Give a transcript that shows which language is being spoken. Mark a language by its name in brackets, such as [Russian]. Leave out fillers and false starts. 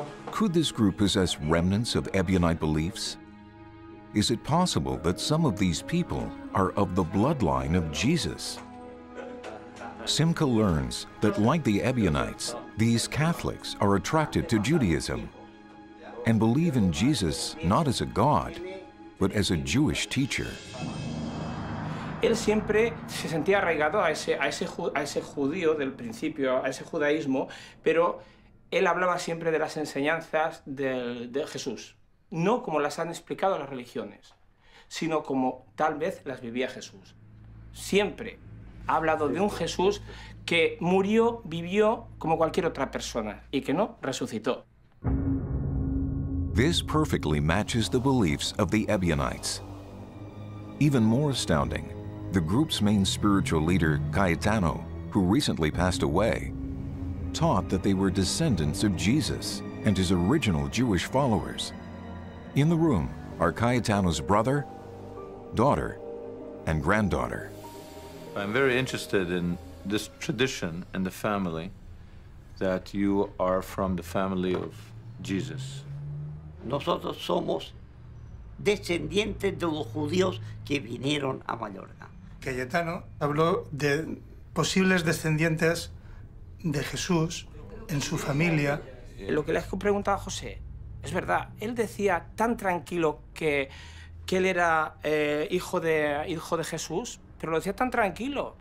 [English] Could this group possess remnants of Ebionite beliefs? Is it possible that some of these people are of the bloodline of Jesus? Simcha learns that, like the Ebionites, these Catholics are attracted to Judaism and believe in Jesus not as a god, but as a Jewish teacher. [Spanish] Él siempre se sentía arraigado a ese judío del principio, a ese judaísmo, pero él hablaba siempre de las enseñanzas de Jesús, no como las han explicado las religiones, sino como tal vez las vivía Jesús. Siempre ha hablado de un Jesús que murió, vivió como cualquier otra persona y que no resucitó. [English] This perfectly matches the beliefs of the Ebionites. Even more astounding, the group's main spiritual leader, Cayetano, who recently passed away, taught that they were descendants of Jesus and his original Jewish followers. In the room are Cayetano's brother, daughter, and granddaughter. I'm very interested in this tradition and the family, that you are from the family of Jesus. [Spanish] Nosotros somos descendientes de los judíos que vinieron a Mallorca. Cayetano habló de posibles descendientes de Jesús en su familia. Lo que le he preguntado a José, es verdad, él decía tan tranquilo que él era hijo de Jesús, pero lo decía tan tranquilo.